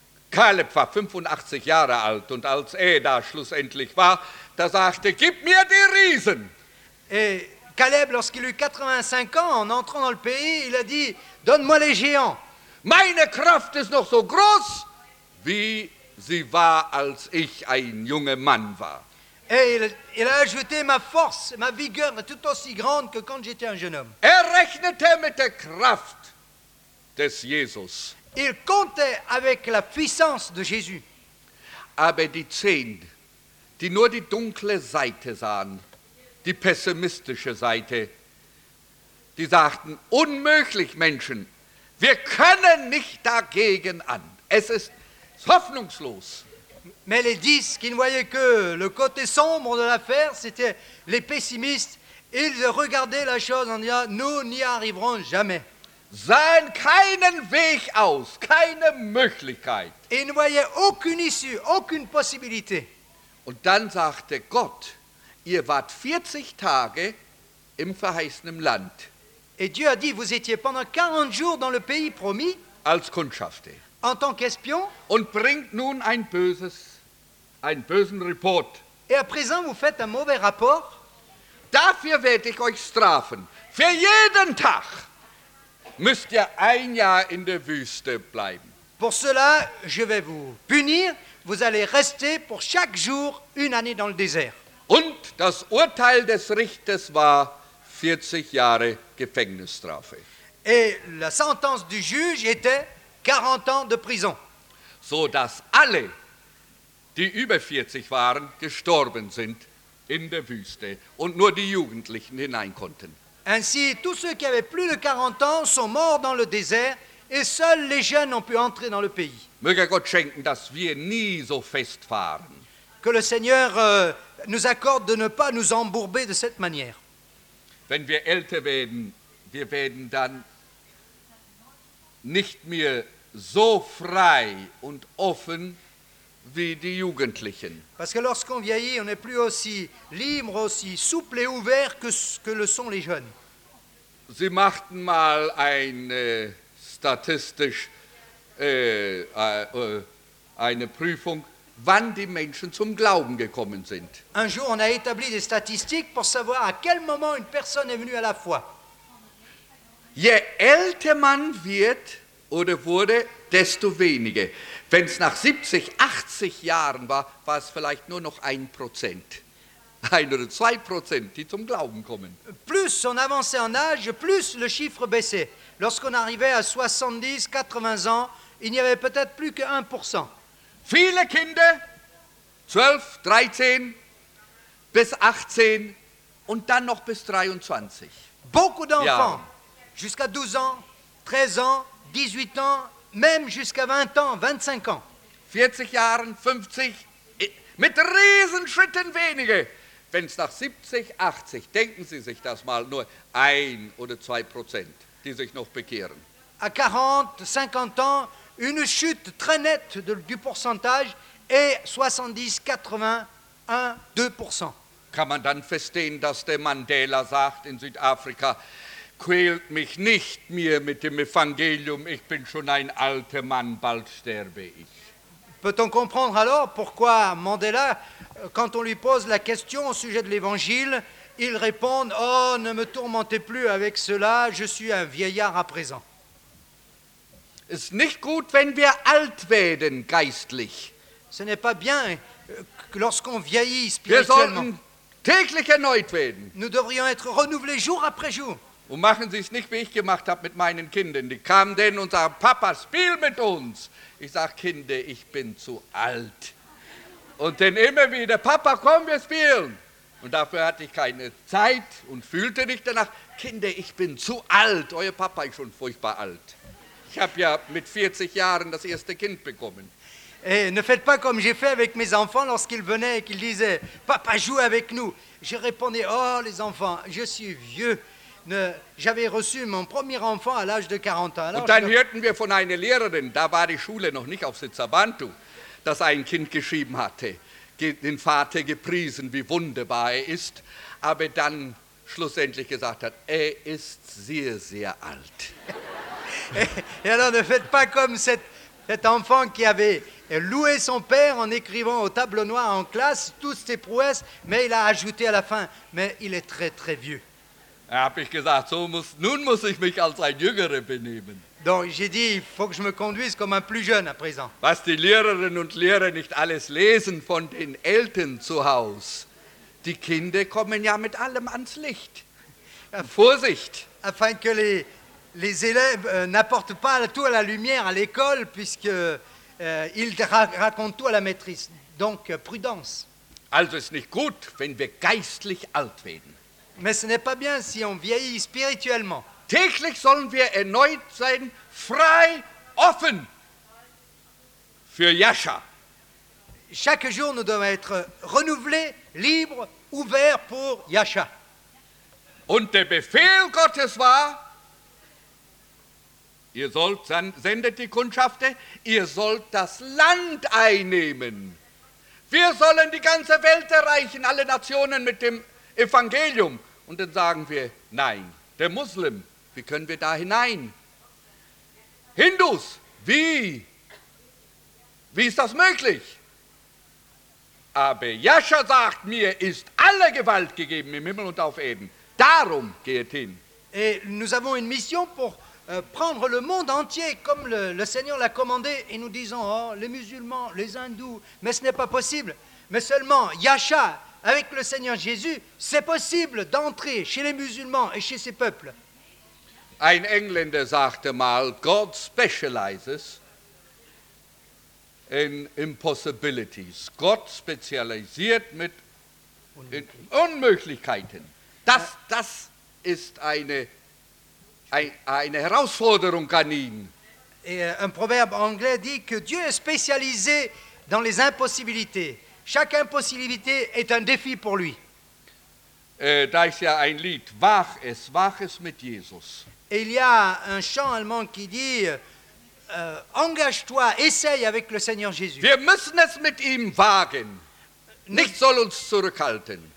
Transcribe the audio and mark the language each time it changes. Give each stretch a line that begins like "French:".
German: Caleb war 85 Jahre alt und als er da schlussendlich war, da sagte: Gib mir die Riesen.
French: Et Caleb, lorsqu'il eut 85 ans, en entrant dans le pays, il a dit: Donne-moi les géants.
German: Meine Kraft ist noch so groß, wie sie war, als ich ein junger Mann war.
French: Et il a ajouté: Ma force, ma vigueur est tout aussi grande que quand j'étais un jeune homme.
German: Er rechnete mit der Kraft des Jesus.
French: Il comptait avec la puissance de Jésus.
German: Aber die zehn, die nur die dunkle Seite sahen, die pessimistische Seite, die sagten: Unmöglich, Menschen, wir können nicht dagegen an. Es ist hoffnungslos.
French: Mais les dix qui ne voyaient que le côté sombre de l'affaire, c'était les pessimistes. Ils regardaient la chose en disant: Nous n'y arriverons jamais.
German: Sahen keinen Weg aus, keine Möglichkeit.
French: Ils ne voyaient aucune issue, aucune possibilité.
German: Und dann sagte Gott: Ihr wart 40 Tage im verheißenen Land.
French: Et Dieu a dit: Vous étiez pendant 40 jours dans le pays promis.
German: Als Kundschafter.
French: En tant qu'espion.
German: Und bringt nun einen bösen Report.
French: Et à présent, vous faites un mauvais rapport.
German: Dafür werde ich euch strafen. Für jeden Tag müsst ihr ein Jahr in der Wüste bleiben.
French: Pour cela, je vais vous punir. Vous allez rester pour chaque jour une année dans le désert.
German: Und das Urteil des Richters war 40 Jahre Gefängnisstrafe.
French: Et la sentence du juge était 40 ans de prison.
German: So dass alle, die über 40 waren, gestorben sind in der Wüste und nur die Jugendlichen hinein konnten.
French: Ainsi, tous ceux qui avaient plus de 40 ans sont morts dans le désert et seuls les jeunes ont pu entrer dans le pays.
German: Möge Gott schenken, dass wir nie so fest fahren.
French: Que le Seigneur nous accorde de ne pas nous embourber de cette manière.
German: Wenn wir älter werden, wir werden dann nicht mehr so frei und offen wie die Jugendlichen.
French: Parce que lorsqu'on vieillit, on n'est plus aussi libre, aussi souple et ouvert que le sont les jeunes.
German: Sie machten mal eine statistisch eine Prüfung, wann die Menschen zum Glauben gekommen sind.
French: Un jour, on a établi des statistiques pour savoir à quel moment une personne est venue à la foi.
German: Je älter man wird oder wurde, desto weniger. Wenn es nach 70, 80 Jahren war, war es vielleicht nur noch 1%. 1 oder 2%, die zum Glauben kommen.
French: Plus on avançait en âge, plus le chiffre baissait. Lorsqu'on arrivait à 70, 80 ans, il n'y avait peut-être plus que 1%.
German: Viele Kinder, 12, 13 bis 18 und dann noch bis 23.
French: Beaucoup d'enfants. Ja. Jusqu'à 12 ans, 13 ans, 18 ans, même jusqu'à 20 ans, 25 ans.
German: 40 Jahre, 50, mit Riesenschritten weniger. Wenn es nach 70, 80, denken Sie sich das mal, nur 1 oder 2%, die sich noch bekehren.
French: À 40, 50 ans, une chute très nette du pourcentage et 70, 80, 1, 2%.
German: Kann man dann verstehen, dass der Mandela sagt in Südafrika: Quält mich nicht mehr mit dem Evangelium, ich bin schon ein alter Mann, bald sterbe ich.
French: Peut-on comprendre alors pourquoi Mandela, quand on lui pose la question au sujet de l'évangile, il répond: Oh, ne me tourmentez plus avec cela, je suis un vieillard à présent.
German: Ist nicht gut, wenn wir alt werden geistlich.
French: Ce n'est pas bien lorsqu'on vieillit spirituellement.
German: Wir sollten täglich erneut werden.
French: Nous devrions être renouvelés jour après jour.
German: Und machen Sie es nicht, wie ich gemacht habe mit meinen Kindern. Die kamen denn und sagten: Papa, spiel mit uns. Ich sage: Kinder, ich bin zu alt. Und dann immer wieder: Papa, komm, wir spielen. Und dafür hatte ich keine Zeit und fühlte nicht danach: Kinder, ich bin zu alt. Euer Papa ist schon furchtbar alt. Ich habe ja mit 40 Jahren das erste Kind bekommen.
French: Et ne faites pas comme j'ai fait avec mes enfants lorsqu'ils venaient et qu'ils disaient « Papa, joue avec nous !» Je répondais « Oh, les enfants, je suis vieux !» J'avais reçu mon premier enfant à l'âge de 40 ans.
German: Alors, und dann hörten wir von einer Lehrerin, da war die Schule noch nicht auf Sitzabantu, dass ein Kind geschrieben hatte, den Vater gepriesen, wie wunderbar er ist, aber dann schlussendlich gesagt hat, er ist sehr, sehr alt.
French: Et alors ne faites pas comme cet enfant qui avait loué son père en écrivant au tableau noir en classe toutes ses prouesses, mais il a ajouté à la fin, mais il est très, très vieux.
German: Habe ich gesagt, nun muss ich mich als ein Jüngerer benehmen.
French: Donc j'ai dit, il faut que je me conduise comme un plus jeune à présent.
German: Was die Lehrerinnen und Lehrer nicht alles lesen von den Eltern zu Haus, die Kinder kommen ja mit allem ans Licht. Vorsicht!
French: Afin que les élèves n'apportent pas tout à la lumière à l'école, puisque ils racontent tout à la maîtrise. Donc prudence.
German: Also ist nicht gut, wenn wir geistlich alt werden.
French: Mais ce n'est pas bien si on vieillit spirituellement.
German: Täglich sollen wir erneut sein, frei, offen für Jascha.
French: Chaque jour, nous devons être renouvelés, libres, ouverts pour Jascha.
German: Und der Befehl Gottes war, ihr sollt, sendet die Kundschafter, ihr sollt das Land einnehmen. Wir sollen die ganze Welt erreichen, alle Nationen mit dem Evangelium. Und dann sagen wir, nein, der Muslim, wie können wir da hinein? Hindus, wie ist das möglich? Aber Jascha sagt, mir ist alle Gewalt gegeben im Himmel und auf Erden. Darum geht hin.
French: Et nous avons une mission pour prendre le monde entier, comme le Seigneur l'a commandé, et nous disons, oh, les musulmans, les hindous, mais ce n'est pas possible, mais seulement Jascha. Avec le Seigneur Jésus, c'est possible d'entrer chez les musulmans et chez ces peuples.
German: Ein Engländer sagte mal,
English: God specializes in impossibilities.
German: Gott spezialisiert mit Unmöglichkeiten. Das ist eine Herausforderung an ihn.
French: Et un proverbe anglais dit que Dieu est spécialisé dans les impossibilités. Chaque impossibilité est un défi pour lui.
German: Da ist ja ein Lied, wach es mit Jesus.
French: Et il y a un chant allemand qui dit, engage-toi, essaye avec le Seigneur Jésus.
German: Wir müssen es mit ihm wagen. Nichts soll uns zurückhalten.